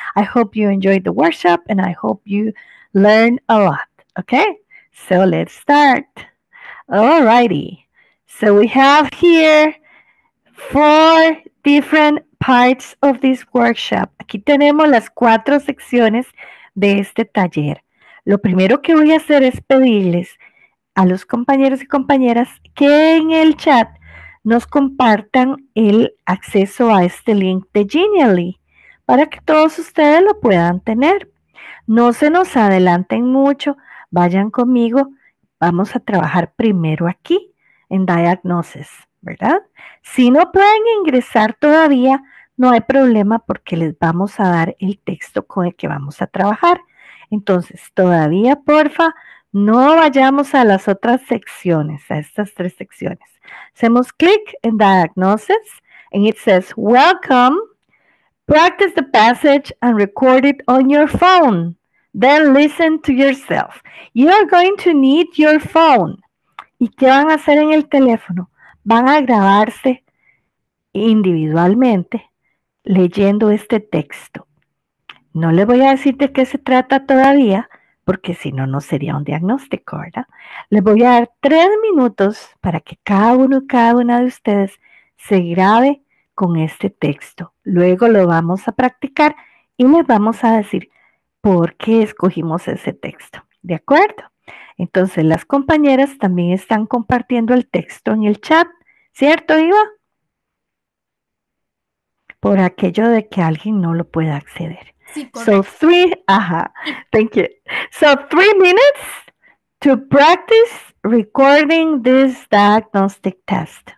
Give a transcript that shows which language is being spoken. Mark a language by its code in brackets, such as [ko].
[en] I hope you enjoyed the workshop and I hope you learn a lot, okay? So let's start. Alrighty. So we have here four different parts of this workshop. [es] Aquí tenemos las cuatro secciones de este taller. Lo primero que voy a hacer es pedirles a los compañeros y compañeras que en el chat nos compartan el acceso a este link de Genially para que todos ustedes lo puedan tener. No se nos adelanten mucho. Vayan conmigo, vamos a trabajar primero aquí en Diagnosis, ¿verdad? Si no pueden ingresar todavía, no hay problema porque les vamos a dar el texto con el que vamos a trabajar. Entonces, todavía, porfa, no vayamos a las otras secciones, a estas tres secciones. Hacemos clic en [en] Diagnosis and it says, Welcome, practice the passage and record it on your phone. Then listen to yourself. You are going to need your phone. [es] ¿Y qué van a hacer en el teléfono? Van a grabarse individualmente leyendo este texto. No les voy a decir de qué se trata todavía, porque si no, no sería un diagnóstico, ¿verdad? Les voy a dar 3 minutos para que cada uno y cada una de ustedes se grabe con este texto. Luego lo vamos a practicar y les vamos a decir, ¿por qué escogimos ese texto? ¿De acuerdo? Entonces, las compañeras también están compartiendo el texto en el chat. ¿Cierto, Iva? Por aquello de que alguien no lo pueda acceder. Sí, correcto. [en] Thank you. So, 3 minutes to practice recording this diagnostic test.